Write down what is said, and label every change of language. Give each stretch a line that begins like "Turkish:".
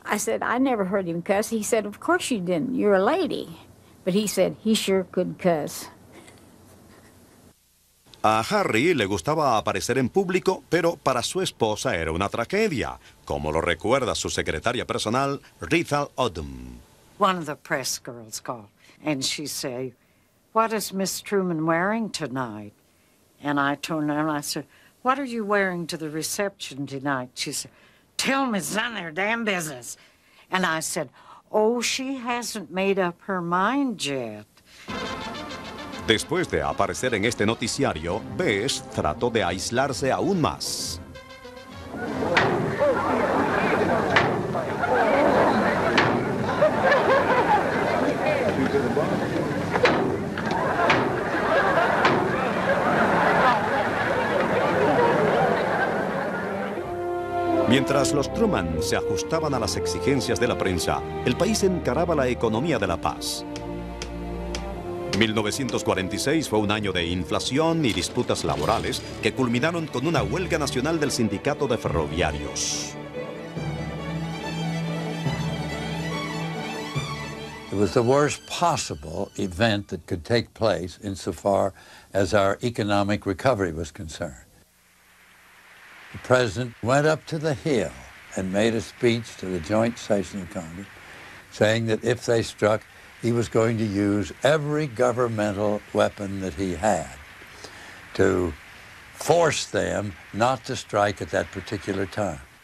English: I said, I never heard him cuss. He said, of course you didn't. You're a lady. But he said, he sure could cuss.
Spanish: A Harry le gustaba aparecer en público, pero para su esposa era una tragedia, como lo recuerda su secretaria personal, Rita Odom.
English: One of the press girls called, and she said, what is Miss Truman wearing tonight? And I turned around and I said, what are you wearing to the reception tonight? She said, tell me it's none of their damn business. And I said, oh, she hasn't made up her mind yet.
Spanish: Después de aparecer en este noticiario, Bess trató de aislarse aún más. Mientras los Truman se ajustaban a las exigencias de la prensa, el país encaraba la economía de la paz. 1946 fue un año de inflación y disputas laborales que culminaron con una huelga nacional del sindicato de ferroviarios.
English: It was the worst possible event that could take place insofar as our economic recovery was concerned. The president went up to the Hill and made a speech to the joint session of Congress saying that if they struck, he was going to use every governmental weapon that he had to force them not to strike at that particular time.